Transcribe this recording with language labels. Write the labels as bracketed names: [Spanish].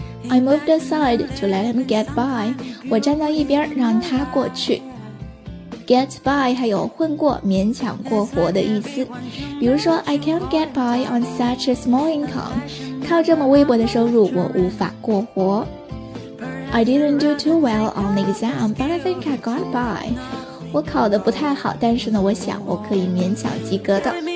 [English] I moved aside to let him get by. [Chinese] 我站到一边让他过去。 Get by 还有混过、勉强过活的意思。比如说 [English] ，I can't get by on such a small income. [Chinese] 靠这么微薄的收入，我无法过活。 [English] I didn't do too well on the exam, but I think I got by. [Chinese] 我考得不太好，但是呢，我想我可以勉强及格的。